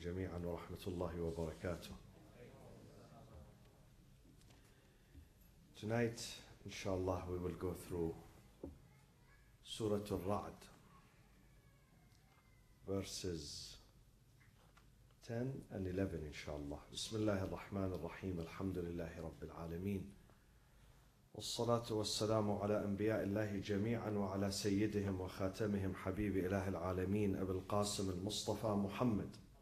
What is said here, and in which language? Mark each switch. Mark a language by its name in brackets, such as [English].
[Arabic] جميعا ورحمة الله وبركاته. [English] Tonight, inshallah, we will go through Surah Al-Ra'd, verses 10 and 11, inshallah. [Arabic] Bismillah ar-Rahman ar-Rahim, alhamdulillahi rabbil alameen. والصلاة والسلام على أنبياء الله جميعا وعلى سيدهم وخاتمهم حبيب إله العالمين أبي القاسم المصطفى محمد.